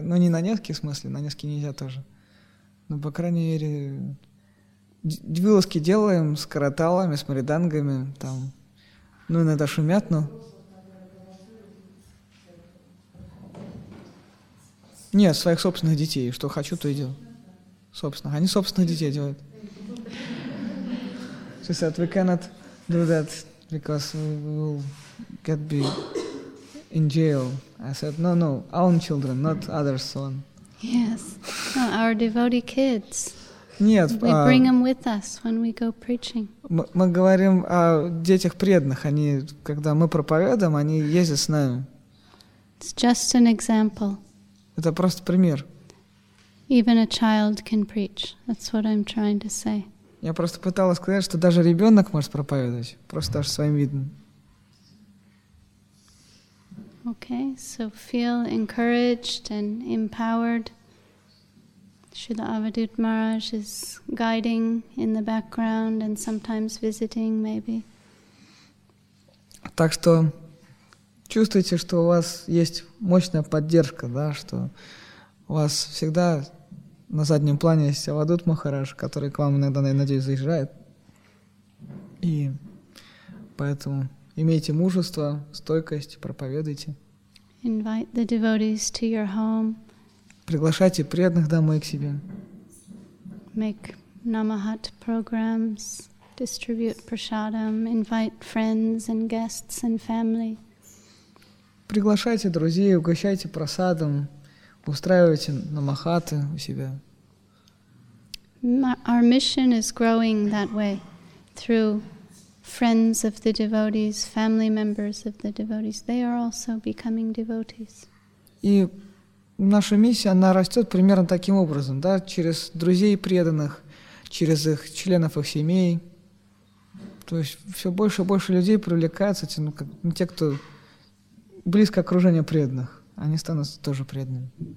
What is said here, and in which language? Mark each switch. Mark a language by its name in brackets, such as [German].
[Russian] Ну, не на Невский, в смысле, на Невский нельзя тоже. Но, по крайней мере, вылазки делаем с караталами, с мридангами, там. Ну, иногда шумят, но... Нет, своих собственных детей. Что хочу, то и делаю. Собственно. Они собственных детей делают. [English] She said, we cannot do that because we will get be in jail. I said, no, no, our children, not others' son. Yes, no, our devotee kids. [Russian] Нет, [English] we bring them with us when we go preaching. [Russian] Мы говорим о детях преданных. Они, когда мы проповедуем, они ездят с нами. [English] It's just an example. [Russian] Это просто пример. [English] Even a child can preach. That's what I'm trying to say. [Russian] Я просто пыталась сказать, что даже ребенок может проповедовать, просто даже своим видом. [English] Okay, so feel encouraged and empowered. Srila Avadhut Maharaj is guiding in the background and sometimes visiting, maybe. [Russian] Так что чувствуйте, что у вас есть мощная поддержка, да, что у вас всегда на заднем плане есть Авадут Махарадж, который к вам иногда, я надеюсь, заезжает. И поэтому имейте мужество, стойкость, проповедуйте. [English] Invite the devotees to your home. [Russian] Приглашайте преданных домой к себе. [English] Make namahat programs, distribute prasadam, invite friends and guests and family. [Russian] Приглашайте друзей, угощайте прасадом, устраивайте намахаты у себя. [English] Our mission is growing that way, through friends of the devotees, family members of the devotees. They are also becoming devotees. [Russian] И наша миссия, она растет примерно таким образом, да, через друзей преданных, через их членов их семей. То есть все больше и больше людей привлекаются, те, кто близко окружение преданных, они станут тоже преданными.